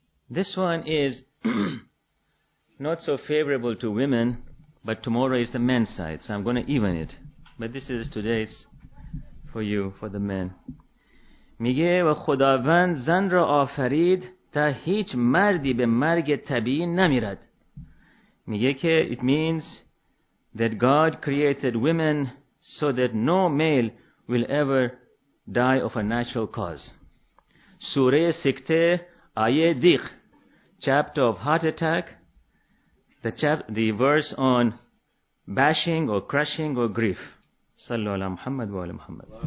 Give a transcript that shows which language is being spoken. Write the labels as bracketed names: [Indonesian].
[English] This one is not so favorable to women But tomorrow is the men's side, so I'm going to even it. But this is today's for you, for the men. [Persian] میگه و خداوند زن را آفرید تا هیچ مردی به مرگ طبیعی نمیرد. میگه که [English] it means that God created women so that no male will ever die of a natural cause. [Persian] سوره سکته آیه دیخ [English] chapter of heart attack the verse on bashing or crushing or grief [Arabic] sallu ala muhammad wa ala muhammad